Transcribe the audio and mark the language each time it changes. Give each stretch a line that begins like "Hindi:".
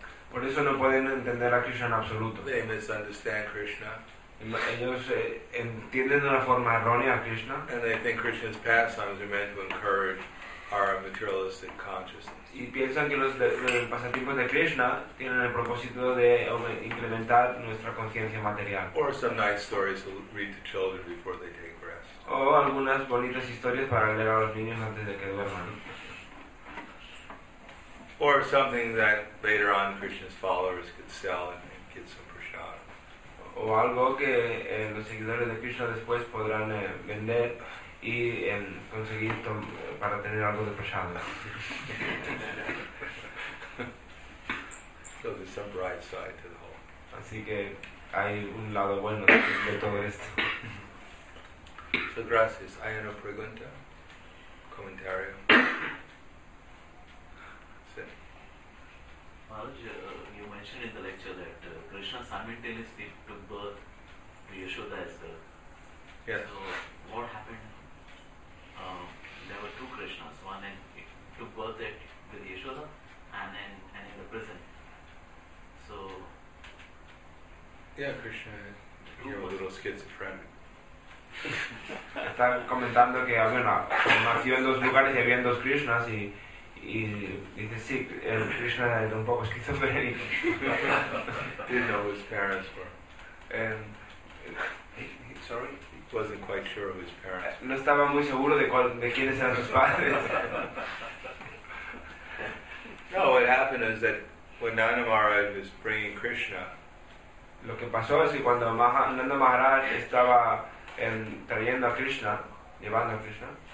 Spanish: Por eso no pueden entender a Krishna en absoluto.
English: They misunderstand Krishna.
Spanish: Ellos entienden de una forma errónea a Krishna.
English: And they think Krishna's pastimes are meant to encourage our materialistic consciousness.
Spanish: Y piensan que los pasatiempos de Krishna tienen el propósito de incrementar nuestra conciencia material.
English: Or some nice stories to read to children before they take rest.
Spanish: O algunas bonitas historias para leer a los niños antes de que duerman.
English: Or something that later on Krishna's followers could sell and get some prasadam.
Spanish: O algo que los seguidores de Krishna después podrán vender y conseguir para tener algo de prasadam.
English: So there's some bright side to the whole.
Spanish: Así que hay un lado bueno de todo esto. So gracias. Hay una pregunta. Comentario.
English: You mentioned in the lecture that Krishna simultaneously took birth to Yashoda as well. Yes. So what happened? There were two Krishnas. One in, took birth with Yashoda and then and in the prison. So... Yeah, Krishna, you're a little schizophrenic.
Spanish: Está comentando que nació en dos lugares y había dos Krishnas y... Y dice, sí, Krishna era un poco esquizofrénico.
English: Didn't know who his parents were. Sorry? He wasn't quite sure of his parents.
Spanish: No estaba muy seguro de quiénes eran sus padres.
English: No, what happened is that when Nanda Maharaj was bringing Krishna...
Spanish: Lo que pasó es que cuando Nanda Maharaj estaba trayendo a Krishna, llevando a Krishna...